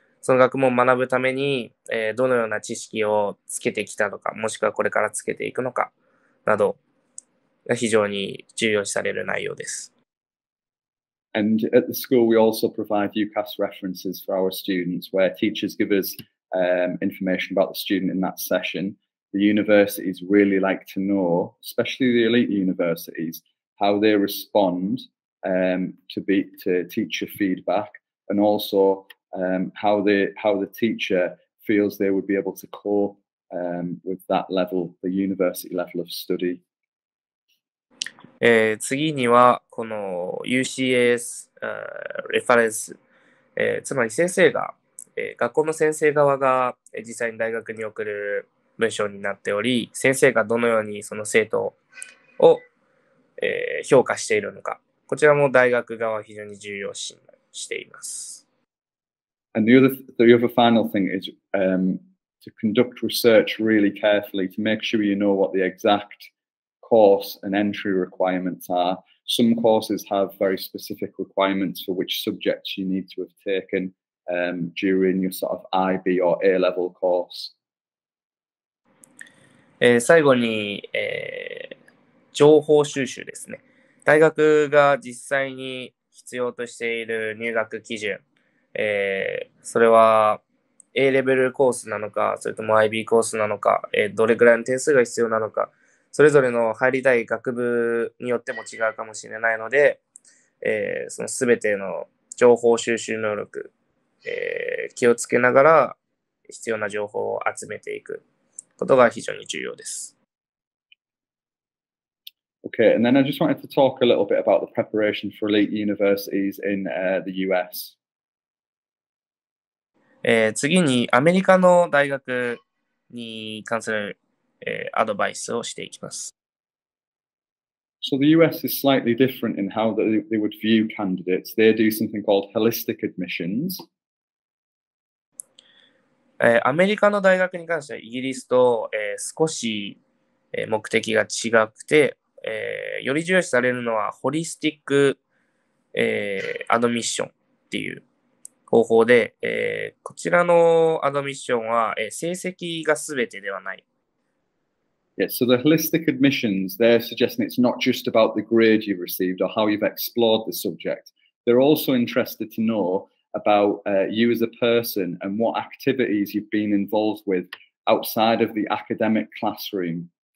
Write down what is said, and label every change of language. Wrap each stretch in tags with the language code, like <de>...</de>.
<ja>その学問を学ぶために、どのような知識をつけてきたのか、もしくはこれからつけていくのかなどが非常に重要視される内容です。</ja> <en>And at the school, we also provide UCAS references for our students, where teachers give us、information about the student in that session. The universities really like to know, especially the elite universities, how they respond、to teacher feedback, and also、how the teacher feels they would be able to cope、with that level, the university level of study.</en> <ja>次には、この UCAS、レファレンス、つまり先生が、学校の先生側が実際に大学に送る文章になっており、先生がどのようにその生徒を、評価しているのか、こちらも大学側は非常に重要視しています。</ja> <en>And the other final thing is、to conduct research really carefully to make sure you know what the exactcourse and entry requirements are. Some courses have very specific requirements for which subjects you need to have taken、during your sort of IB or A level course.、</en> <ja>最後に、情報収集ですね。大学が実際に必要としている入学基準、それは A レベルコースなのか、それとも IB コースなのか、どれくらいの点数が必要なのか、それぞれの入りたい学部によっても違うかもしれないので、そのすべての情報収集能力、気をつけながら必要な情報を集めていくことが非常に重要です。</ja> <en>Okay, and then I just wanted to talk a little bit about the preparation for elite universities in、the US.、</en> <ja>次にアメリカの大学に関するアドバイスをしていきます。</ja> <en>So the US is slightly different in how they would view candidates. They do something called holistic admissions.</en> <ja>アメリカの大学に関してはイギリスと、少し、目的が違くて、より重視されるのはホリスティック、アドミッションっていう方法で、こちらのアドミッションは、成績が全てではない。</ja> <en>Yeah, so the holistic admissions, they're suggesting it's not just about the grade you've received or how you've explored the subject. They're also interested to know about、you as a person and what activities you've been involved with outside of the academic classroom.、</en>